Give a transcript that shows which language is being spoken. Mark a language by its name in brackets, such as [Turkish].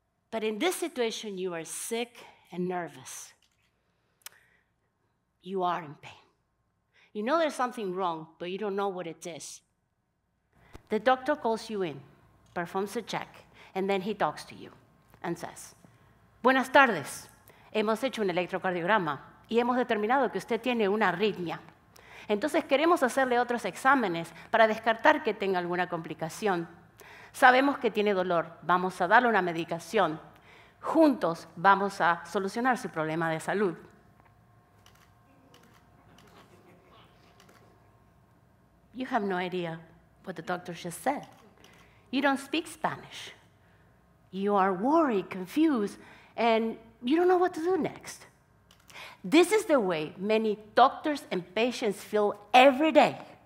[English] But in this situation, you are sick and nervous. You are in pain. You know there's something wrong, but you don't know what it is. The doctor calls you in, performs a check, and then he talks to you and says, [Spanish] "Buenas tardes. Hemos hecho un electrocardiograma y hemos determinado que usted tiene una arritmia. Entonces queremos hacerle otros exámenes para descartar que tenga alguna complicación. Sabemos que tiene dolor. Vamos a darle una medicación. Juntos vamos a solucionar su problema de salud." [English] You have no idea what the doctor just said. You don't speak Spanish. You are worried, confused, and you don't know what to do next. This is the way many doctors and patients feel every day.